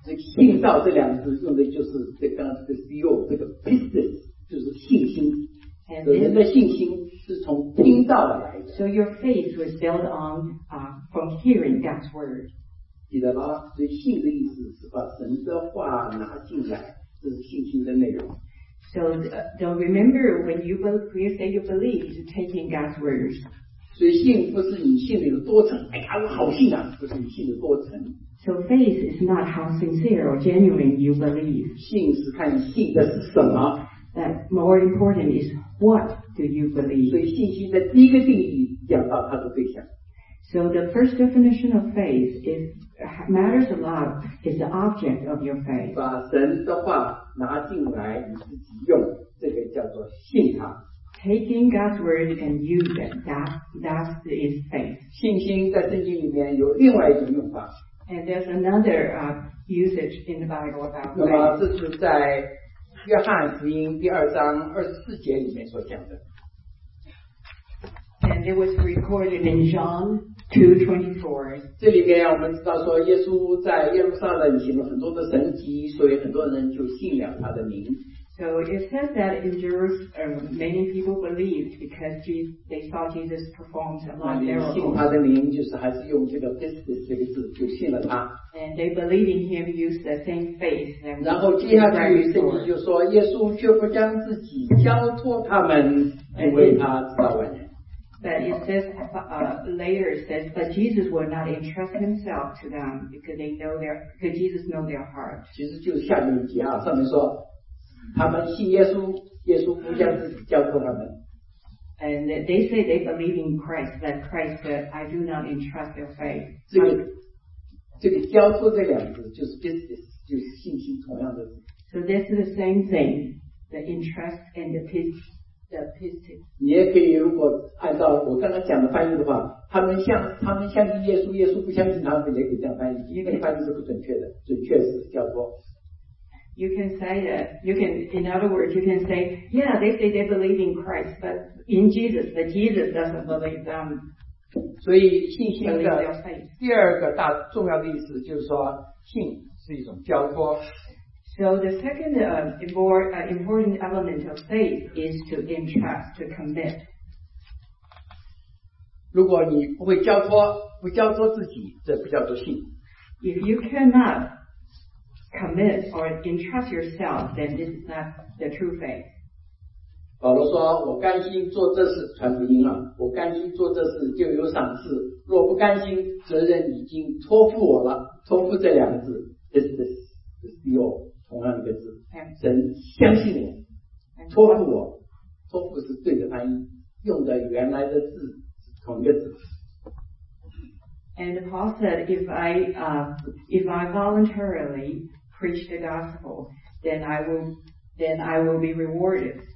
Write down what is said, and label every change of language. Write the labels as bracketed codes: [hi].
[zh] 信道这两个字用的就是这个刚才这个 zeal 这个 pistis 就是信心。 [en] And [zh] 人的信心是从听道来的。 [en] So your faith was built on, from hearing God's word. [zh] 记得吗？所以信的意思是把神的话拿进来，这是信心的内容。 [en] So don't remember when you say you believe, you're taking God's word. [zh] 所以信不是你信的有多诚，哎呀，我好信啊，不是你信的多诚。 [en] So faith is not how sincere or genuine you believe. [zh] 信是看你信的是什么。 [en] That more important is what do you believe? [zh] 所以信心的第一个定义讲到它的对象。 [en] So the first definition of faith is matters a lot is the object of your faith. [zh] 把神的话拿进来你自己用，这个叫做信它。 [en] Taking God's word and use it, that is faith. [zh] 信心在圣经里面有另外一种用法。 [en] And there's another usage in the Bible about faith. [zh] 那么这是在约翰福音第二章二十四节里面所讲的。 [en] And it was recorded in John 2:24. [zh] 这里面我们知道说耶稣在耶路撒冷行了很多的神迹，所以很多人就信了他的名。 [en] So it says that in Jerusalem, many people believed because they saw Jesus perform a lot of miracles. [zh] 信他的名就是还是用这个 pistis 这个字就信了他。 [en] And they believed in him, used the same faith. [zh] 然后接下去圣经就说耶稣却不将自己交托他们，因为他知道万人。 [en] But it says, later it says, but Jesus will not entrust himself to them because they know their, because Jesus knows their heart. [zh] 其实就是下面一节啊，上面说他们信耶稣，耶稣不将自己交托他们。 [en] And they say they believe in Christ, but Christ said, I do not entrust their faith. [zh] 这个交托这两个就是 pistis， 就是信心同样的。 [en] So this is the same thing, the entrust and the pistis. [zh] 你也可以如果按照我刚刚讲的翻译的话，他们相信耶稣，耶稣不相信他们，也可以这样翻译，因为翻译是不准确的，准确是交托。 [en] You can say that. In other words, you can say, yeah, they say they believe in Christ, but in Jesus, but Jesus doesn't believe them. [zh] 所以信心的第二个大重要的意思就是说，信是一种交托。 [en] So the second more important element of faith is to entrust, to commit. [zh] 如果你不会交托，不交托自己，这不叫做信。 [en] If you cannot commit or entrust yourself, then this is not the true faith. [zh] 保罗说，我甘心做这事传福音了，我甘心做这事就有赏赐，若不甘心，责任已经托付我了。托付这两个字 ,pistis, 是 steal, 同样一个字。神相信我，托付我，托付是对的翻译，用的原来的字是同一个字。 [en] And Paul said, if I voluntarily preach the gospel, then I will be rewarded.